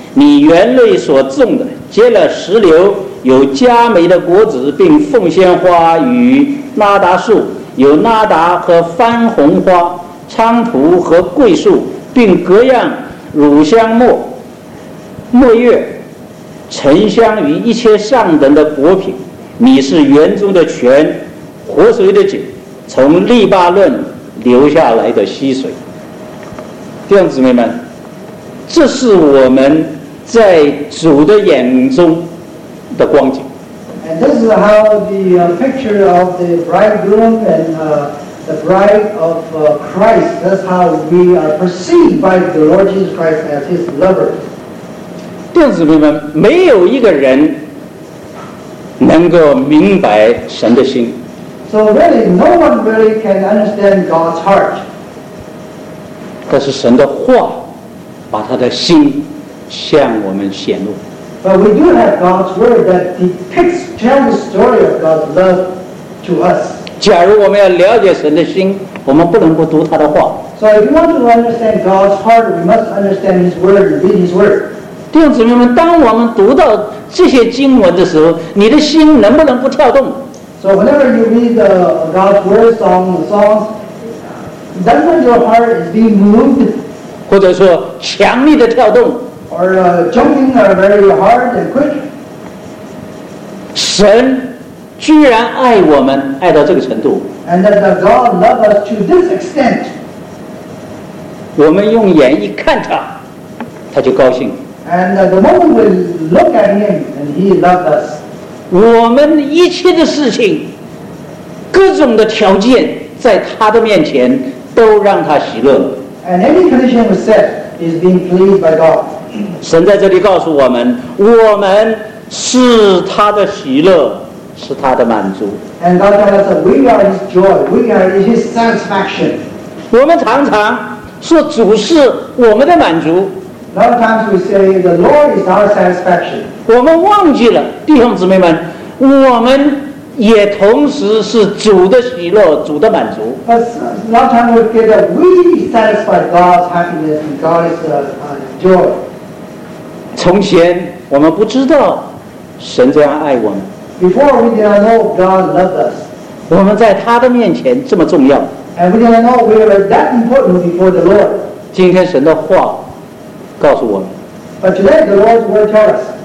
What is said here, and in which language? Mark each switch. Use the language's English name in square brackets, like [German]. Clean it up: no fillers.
[Chinese] 你园内所种的，结了石榴，有佳美的果子，并凤仙花与拉达树，有拉达和番红花、菖蒲和桂树，并各样乳香末、末月沉香于一切上等的果品。你是园中的泉，活水的井，从利巴嫩流下来的溪水。弟兄姊妹们，这是我们在主的眼中的光景。 [English] And this is how the picture of the bridegroom and the bride of Christ. That's how we are perceived by the Lord Jesus Christ as His lover. [Chinese] 弟兄姊妹们，没有一个人能够明白神的心。 [English] So really, no one really can understand God's heart. [Chinese] 但是神的话把他的心向我们显露。 [English] But we do have God's word that depicts, tells the story of God's love to us. [Chinese] 假如我们要了解神的心，我们不能不读他的话。 [English] So if you want to understand God's heart, we must understand His word and read His word. [Chinese] 弟兄姊妹们，当我们读到这些经文的时候，你的心能不能不跳动？ [English] So whenever you read the God's word, songs, doesn't your heart be moved? [Chinese] 或者说强烈的跳动？ [English] Or jumping very hard and quick? [Chinese] 神居然爱我们爱到这个程度。 [English] And that the God loved us to this extent. [Chinese] 我们用眼一看他，他就高兴。 [English] And the moment we look at him, and he loved us. [Chinese] 我们一切的事情，各种的条件，在他的面前都让他喜乐。 [English] And any condition we set is being pleased by God. [Chinese] 神在这里告诉我们，我们是他的喜乐，是他的满足。 [English] And God tells us we are His joy, we are His satisfaction. [Chinese] 我们常常说主是我们的满足。 [English] A lot of times we say the Lord is our satisfaction. [Chinese] 我们忘记了，弟兄姊妹们，我们也同时是主的喜乐，主的满足。 [English] A lot of times we forget that we satisfy God's happiness and God's joy. [Chinese] 从前我们不知道神这样爱我们。 [English] Before we did not know God loved us. [Chinese] 我们在他的面前这么重要。 [English] And we did not know we were that important before the Lord. [Chinese] 今天神的话告诉我们， [English] But today the Lord's word tells us,